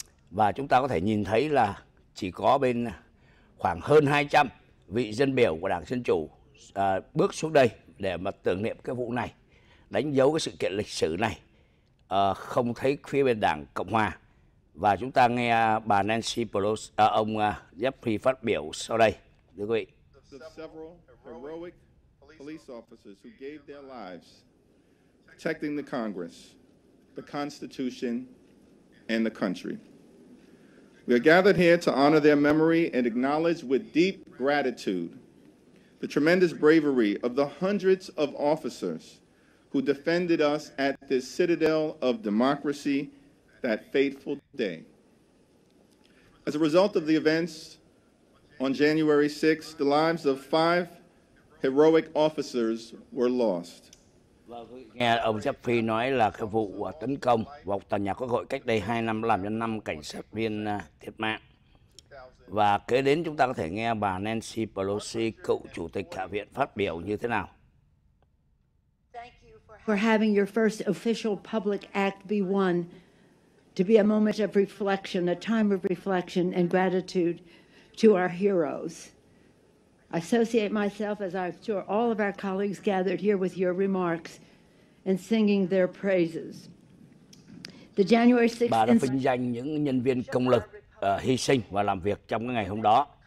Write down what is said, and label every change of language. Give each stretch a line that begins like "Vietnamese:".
Vietnamese: Và chúng ta có thể nhìn thấy là chỉ có bên khoảng hơn 200 vị dân biểu của Đảng Dân Chủ bước xuống đây để mà tưởng niệm cái vụ này, đánh dấu cái sự kiện lịch sử này. Không thấy phía bên Đảng Cộng Hòa. Và chúng ta nghe bà Nancy Pelosi, ông Jeffries phát biểu sau đây. Thưa quý vị.
English: Several heroic police officers who gave their lives protecting the Congress, the Constitution and the country. We are gathered here to honor their memory and acknowledge with deep gratitude the tremendous bravery of the hundreds of officers who defended us at this citadel of democracy that fateful day. As a result of the events on January 6th, the lives of five heroic officers were lost.
Vietnamese: Nghe ông Jeffries nói là cái vụ tấn công vào tòa nhà Quốc hội cách đây 2 năm làm cho 5 cảnh sát viên thiệt mạng. Và kế đến chúng ta có thể nghe bà Nancy Pelosi, cựu chủ tịch Hạ viện, phát biểu như thế nào.
English: For having your first official public act be one to be a moment of reflection, a time of reflection and gratitude to our heroes. I associate myself, as I'm sure all of our colleagues gathered here, with your remarks and singing their praises. The January 6th.
Vietnamese: Bà đã vinh danh những nhân viên công lực hy sinh và làm việc trong cái ngày hôm đó.